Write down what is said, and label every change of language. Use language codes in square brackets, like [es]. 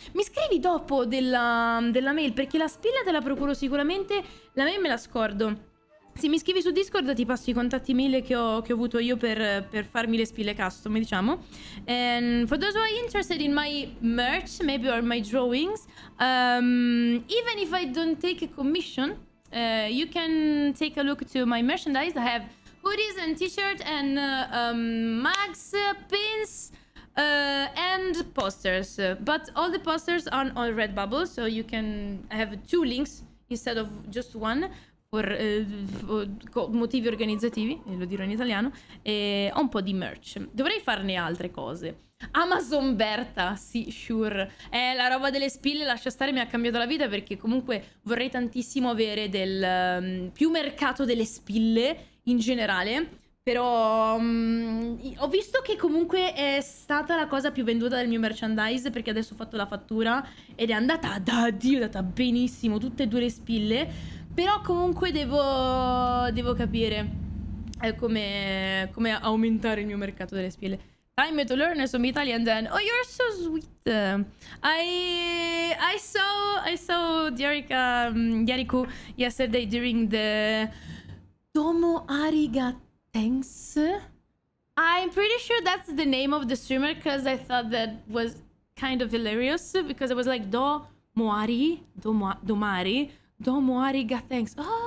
[it] Mi scrivi dopo della mail, perché la spilla te la procuro sicuramente. La mail me la scordo. Se mi scrivi su Discord ti passo i contatti mail che ho avuto io per farmi le spille custom, diciamo. [en] And for those who are interested in my merch, maybe or my drawings, even if I don't take a commission, you can take a look to my merchandise. I have hoodies and t-shirt and mugs, pins, and posters. But all the posters are on Redbubble, so you can have two links instead of just one. [it] Motivi organizzativi, lo dirò in italiano, e ho un po' di merch. Dovrei farne altre cose. Amazon Berta, sì, sure. La roba delle spille, lascia stare, mi ha cambiato la vita, perché comunque vorrei tantissimo avere del più mercato delle spille in generale, però ho visto che comunque è stata la cosa più venduta del mio merchandise, perché adesso ho fatto la fattura ed è andata da Dio, è andata benissimo, tutte e due le spille. Però comunque devo capire come aumentare il mio mercato delle spille. [en] Time to learn some Italian then. Oh, you're so sweet. I saw Diarica, Diariku yesterday during the Domo Ariga Thanks. I'm pretty sure that's the name of the streamer, because I thought that was kind of hilarious, because it was like Domo Ariga Thanks.